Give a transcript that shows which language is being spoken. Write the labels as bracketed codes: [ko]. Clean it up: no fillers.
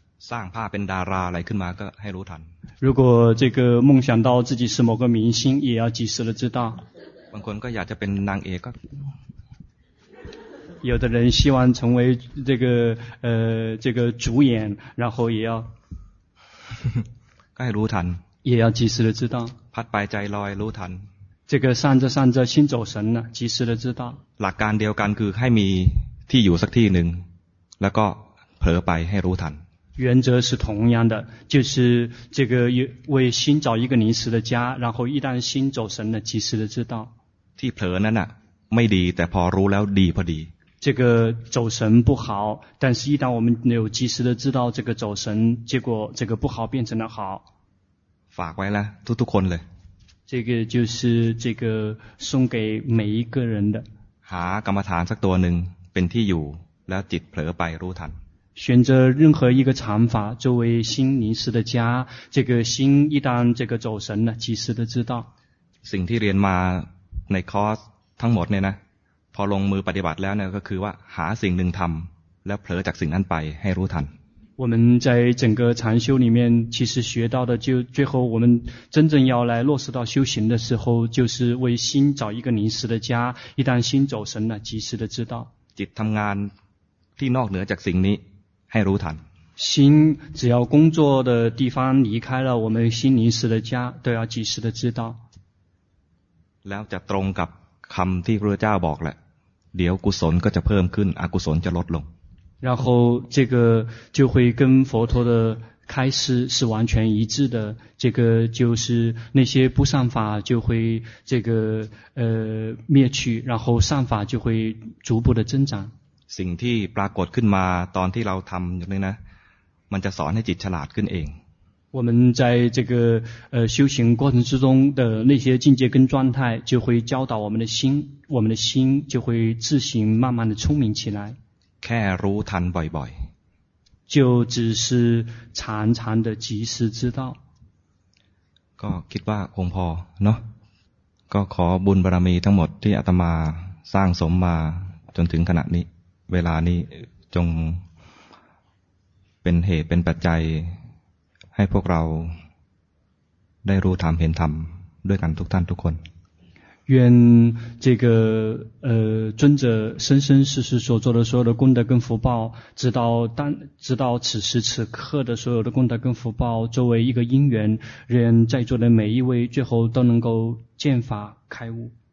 [th] สร้างภาพเป็นดาราอะไรขึ้นมาก็ให้รู้ทัน [zh] 如果这个梦想到自己是某个明星也要及时的知道 [th] บางคนก็อยากจะเป็นนางเอก [zh] 有的人希望成为这个这个主演然后也要 [th] ก็ให้รู้ทัน [zh] 也要及时的知道 [th] พัดไปใจลอยรู้ทัน [zh] 这个散着散着心走神了及时的知道 [th] หลักการเดียวกันคือให้มีที่อยู่สักที่หนึ่งแล้วก็เผลอไปให้รู้ทัน [zh] 原则是同样的就是这个为心找一个临时的家然后一旦心走神了及时的知道 [th] ที่เผลอนั้นน่ะไม่ดีแต่พอรู้แล้วดีพอดี [zh] 这个走神不好但是一旦我们有及时的知道这个走神结果这个不好变成了好 [th] ฝากไว้ละทุกคนเลย [zh] 这个就是这个送给每一个人的 [th] หากรรมฐานสักตัวหนึ่งเป็นที่อยู่แล้วจิตเผลอไปรู้ทัน [zh] 选择任何一个禅法作为心临时的家这个心一旦这个走神了及时的知道 [th] สิ่งที่เรียนมาในคอร์สทั้งหมดเนี่ยนะพอลงมือปฏิบัติแล้วเนี่ยก็คือว่าหาสิ่งหนึ่งทำแล้วเผลอจากสิ่งนั้นไปให้รู้ทัน [zh] 我们在整个禅修里面其实学到的就最后我们真正要来落实到修行的时候就是为心找一个临时的家一旦心走神了及时的知道 [th] จิตทำงานที่นอกเหนือจากสิ่งนี้ให้รู้ทัน [zh] 心只要工作的地方离开了我们心临时的家都要及时的知道 [th] แล้วจะตรงกับคำที่พระเจ้าบอกแหละเดี๋ยวกุศลก็จะเพิ่มขึ้นอกุศลจะลดลง [zh] 然后这个就会跟佛陀的开示是完全一致的这个就是那些不善法就会这个灭去然后善法就会逐步的增长 [th] สิ่งที่ปรากฏขึ้นมาตอนที่เราทำอย่างนี้นะมันจะสอนให้จิตฉลาดขึ้นเอง [zh] 我们在这个修行过程之中的那些境界跟状态就会教导我们的心我们的心就会自行慢慢的聪明起来 [th] แค่รู้ทันบ่อย [zh] ๆ就只是常常的及时知道 [th] ก็คิดว่าคงพอเนาะก็ขอบุญบารมีทั้งหมดที่อาตมาสร้างสมมาจนถึงขณะนี้เวลานี้จงเป็นเหตุเป็นปัจจัยให้พวกเราได้รู้ธรรมเห็นธรรมด้วยกันทุกท่านทุกคน [zh] 愿这个尊者生生世世所做的所有的功德跟福报，直到此时此刻的所有的功德跟福报，作为一个因缘，愿在座的每一位最后都能够见法开悟。